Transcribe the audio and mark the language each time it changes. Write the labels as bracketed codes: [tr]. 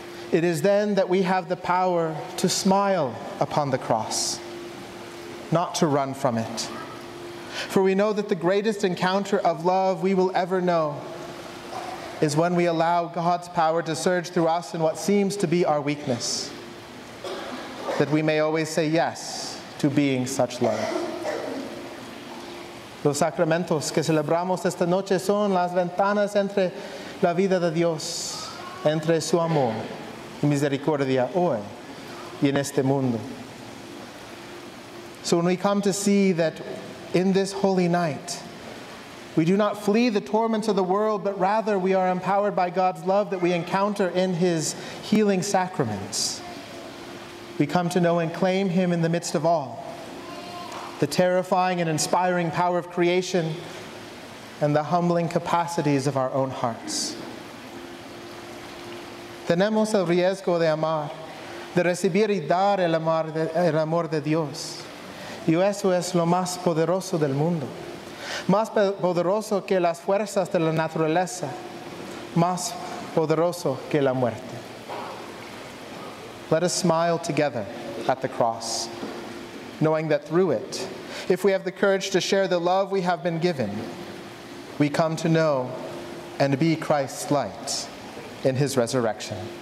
[en] It is then that we have the power to smile upon the cross, not to run from it. For we know that the greatest encounter of love we will ever know is when we allow God's power to surge through us in what seems to be our weakness, that we may always say yes to being such love. [es] Los sacramentos que celebramos esta noche son las ventanas entre la vida de Dios, entre su amor y misericordia hoy y en este mundo. [en] So when we come to see that in this holy night, we do not flee the torments of the world, but rather we are empowered by God's love that we encounter in his healing sacraments, we come to know and claim him in the midst of all, the terrifying and inspiring power of creation and the humbling capacities of our own hearts. [es] Tenemos el riesgo de amar, de recibir y dar el amor de Dios. Y eso es lo más poderoso del mundo. Más poderoso que las fuerzas de la naturaleza. Más poderoso que la muerte. [en] Let us smile together at the cross, knowing that through it, if we have the courage to share the love we have been given, we come to know and be Christ's light in his resurrection.